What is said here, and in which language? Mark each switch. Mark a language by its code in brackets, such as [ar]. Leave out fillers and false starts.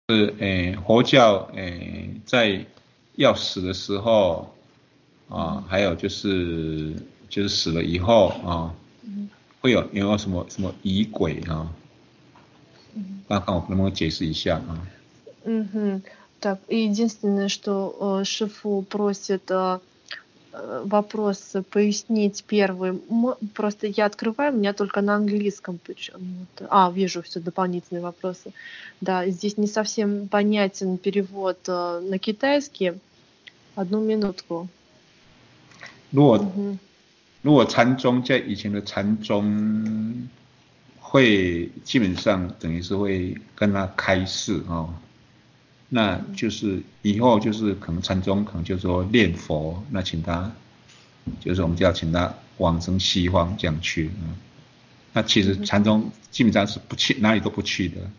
[zh] 佛教在要死的时候啊，还有就是死了以后啊，会有什么仪轨啊？看看我能不能解释一下啊？ [ru] Так, и единственное, что Шифу просит вопрос пояснить первый. Просто я открываю, у меня только на английском почему-то. А, вижу все дополнительные вопросы. Да, здесь не совсем понятен перевод на китайский. Одну минутку. [zh] 如果禅宗在以前的禅宗会基本上等于是会跟他开示哦，那就是以后就是可能禅宗可能就是说念佛，那请他就是我们就要请他往生西方这样去那其实禅宗基本上是不去哪里都不去的。